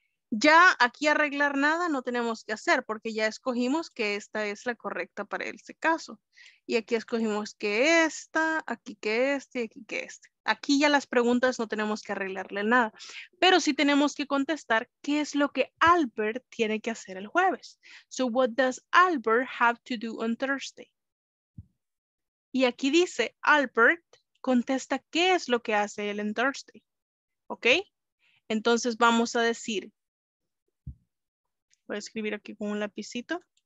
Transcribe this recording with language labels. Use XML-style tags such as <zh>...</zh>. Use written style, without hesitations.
<es>Ya aquí arreglar nada no tenemos que hacer, porque ya escogimos que esta es la correcta para este caso. Y aquí escogimos que esta, aquí que este, aquí que este. Aquí ya las preguntas no tenemos que arreglarle nada. Pero sí tenemos que contestar qué es lo que Albert tiene que hacer el jueves.</es> <en>So what does Albert have to do on Thursday?</en> <es>Y aquí dice, Albert contesta qué es lo que hace él en Thursday. ¿Ok? Entonces vamos a decir, voy a escribir aquí con un lapicito.</es>